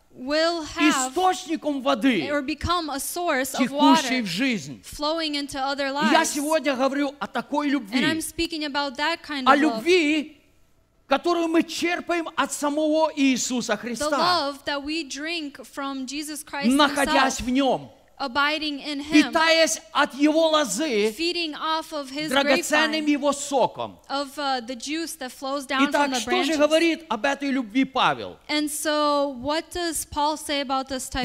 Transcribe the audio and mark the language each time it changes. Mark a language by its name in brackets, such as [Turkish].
[English] will have or become a source of water flowing into other lives. And I'm speaking about that kind of love. [Russian] Которую мы черпаем от самого Иисуса Христа. [English] The love that we drink from Jesus Christ [Russian] находясь в нем, [English] abiding in him, [Russian] питаясь от его лозы, [English] feeding off of his [Russian] драгоценным его соком, [English] of the juice that flows down [Russian] Итак, [English] from the branches. [Russian] Итак, что же говорит об этой любви Павел? [English] And so, what does Paul say about this type